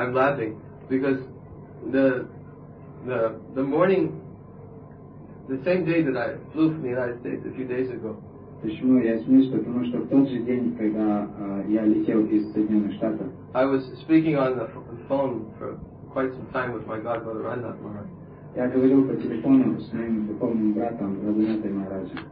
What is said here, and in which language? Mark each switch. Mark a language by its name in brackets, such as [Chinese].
[English] I'm laughing because the morning, the same day that I flew from the United States a few days ago. [Russian] Почему я смеюсь? Потому что в тот же день, когда я летел из Соединенных Штатов, [English] I was speaking on the phone for quite some time with my godbrother Radhanath Maharaj. [Russian] Я говорил по телефону с моим духовным братом Радханатой Махараджи.